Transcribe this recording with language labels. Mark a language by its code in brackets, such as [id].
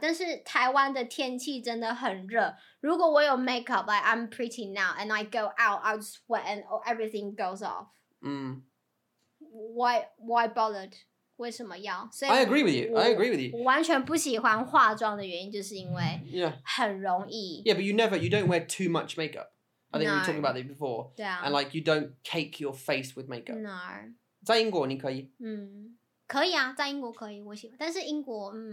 [zh] 但是台湾的天气真的很热。如果我有 [en] makeup, like, I'm pretty now, and I go out, I'll sweat, and everything goes off. Why bothered? [zh] 为什么要？所以 [en] I agree with you. I agree with you. [zh] 我完全不喜欢化妆的原因就是因为很容易。 [en] Yeah, but you don't wear too much makeup. I think we were talking about that before. Yeah. And like, you don't cake your face with makeup. No. [zh] 在英国你可以？可以啊，在英国可以，我喜欢。但是英国，